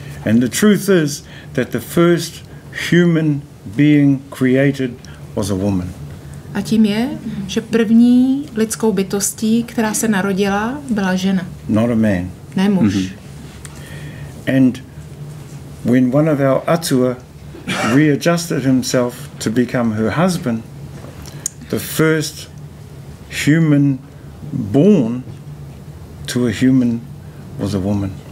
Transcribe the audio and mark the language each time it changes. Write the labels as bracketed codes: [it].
[en] And the truth is that the first human being created was a woman. [cs] A tím je, že první lidskou bytostí, která se narodila, byla žena. [en] Not a man. [cs] Ne muž. Mm-hmm. [en] And when one of our atua readjusted himself to become her husband, the first human born to a human was a woman.